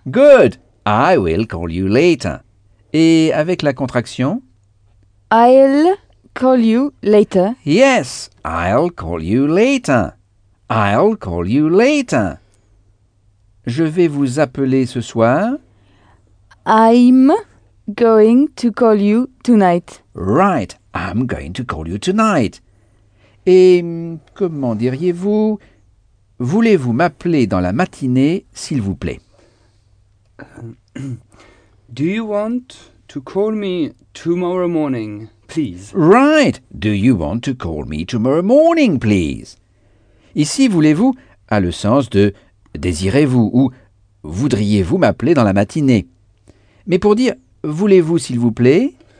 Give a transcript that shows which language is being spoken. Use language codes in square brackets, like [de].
[en] Good. I will call you later. [fr] Et avec la contraction? [en] I'll call you later. Yes, I'll call you later. I'll call you later. [fr] Je vais vous appeler ce soir. [en] I'm going to call you tonight. Right, I'm going to call you tonight. [fr] Et comment diriez-vous? Voulez-vous m'appeler dans la matinée, s'il vous plaît? [en] Do you want to call me tomorrow morning, please? Right. Do you want to call me tomorrow morning, please? [fr] Ici, voulez-vous a le sens de désirez-vous ou voudriez-vous m'appeler dans la matinée. Mais pour dire voulez-vous, s'il vous plaît?